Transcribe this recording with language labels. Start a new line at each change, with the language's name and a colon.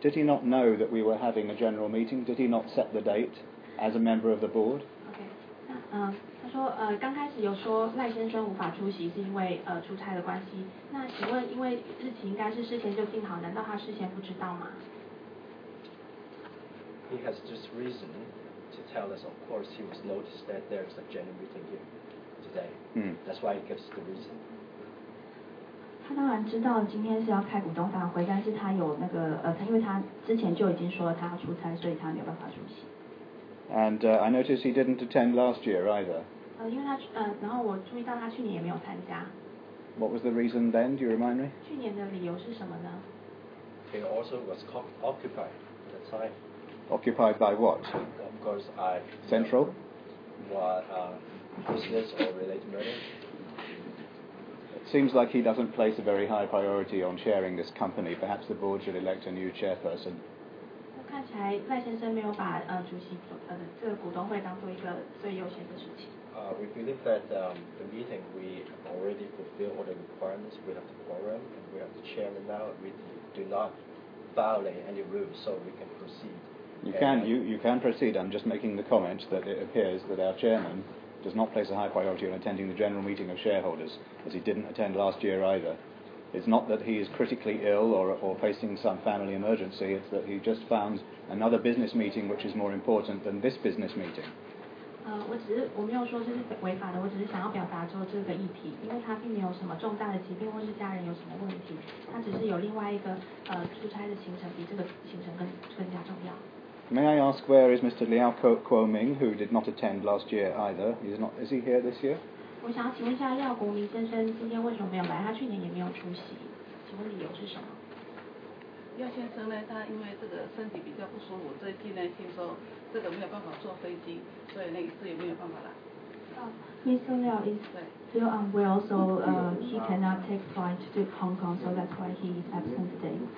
English: Did he not know that we were having a general meeting? Did he not set the date as a member of the board? Okay.
Chinese: 他说刚开始有说赖先生无法出席是因为出差的关系。那请问因为日期应该是事先就定好，难道他事先不知道吗？
English: He has just reason to tell us, of course, he was noticed that there's a general meeting here today. That's why he gives the reason.
Chinese: 他当然知道今天是要开股东大会，但是他有那个因为他之前就已经说了他要出差，所以他没有办法出席。
English: And I noticed he didn't attend last year either.
Chinese: 因为他然后我注意到他去年也没有参加。
English: What was the reason then? Do you remind me?
Chinese: 去年的理由是什么呢？
English: He also was occupied at the time. Occupied by what? Of course, I. Central. What business or related matter? It seems like he doesn't place a very high priority on chairing this company. Perhaps the board should elect a new chairperson.
Chinese: 看起来赖先生没有把主席这个股东会当做一个最优先的事情。
English: We believe that the meeting we already fulfilled all the requirements. We have the quorum and we have the chairman now. We do not violate any rules, so we can proceed. You can proceed. I'm just making the comment that it appears that our chairman does not place a high priority on attending the general meeting of shareholders, as he didn't attend last year either. It's not that he is critically ill or facing some family emergency, it's that he just found another business meeting which is more important than this business meeting.
Chinese: 我没有说这是违法的，我只是想要表达说这个议题，因为他并没有什么重大的疾病或是家人有什么问题，他只是有另外一个出差的行程比这个行程更加重要。
English: May I ask where is Mr. Liao Kuo-Ming, who did not attend last year either? Is he here this year?
Chinese: 我想要请问一下廖国明先生今天为什么没有来，他去年也没有出席，请问理由是什么？廖先生呢，他因为这个身体比较不舒服，最近呢听说这个没有办法坐飞机，所以那一次也没有办法来。
English: Mr. Liao is still unwell, so he cannot take flight to Hong Kong, so that's why he is absent today.